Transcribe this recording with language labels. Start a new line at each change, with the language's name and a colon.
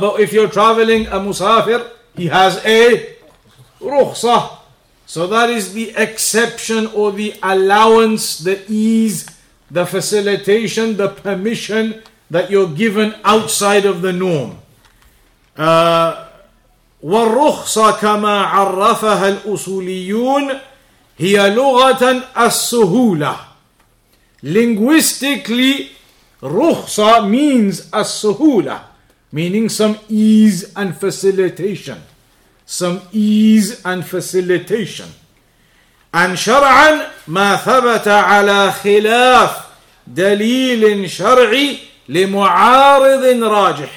English: But if you're traveling, a musafir, he has a rukhsah. So that is the exception or the allowance, the ease, the facilitation, the permission that you're given outside of the norm.
Arabic: وَالرُّخْصَ كَمَا عَرَّفَهَا الْأُصُولِيُّونَ هي لغة السهولة.
English: Linguistically, رخصة means السهولة, meaning some ease and facilitation. Some ease and facilitation. And
Arabic: شرعا ما ثبت على خلاف دليل شرعي لمعارض راجح.